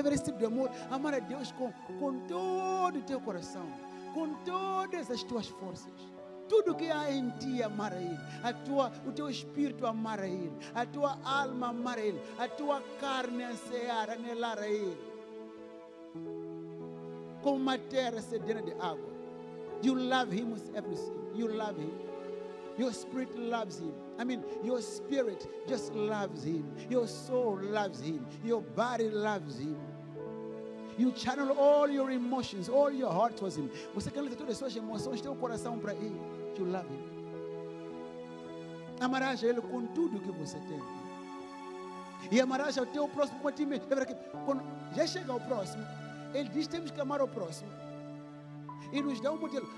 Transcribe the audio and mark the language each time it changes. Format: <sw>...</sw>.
<pt>Esse tipo de amor, amar a Deus com todo o teu coração, com todas as tuas forças, tudo que há em ti, amar a Ele, o teu espírito, amar a Ele, a tua alma, amar a Ele, a tua carne, ansear, anelar a Ele, como uma terra sedenta de água.</pt> <en>You love Him with everything. You love Him. Your spirit loves Him. I mean, your spirit just loves Him. Your soul loves Him. Your body loves Him. You channel all your emotions, all your heart towards Him.</en> <pt>Você canaliza todas as suas emoções, teu coração para Ele.</pt> <en>You love Him.</en> <pt>Amarás a Ele com tudo que você tem. E amarás ao teu próximo com a ti mesmo. Quando já chega ao próximo, Ele diz que temos que amar ao próximo. E nos dá um modelo.</pt>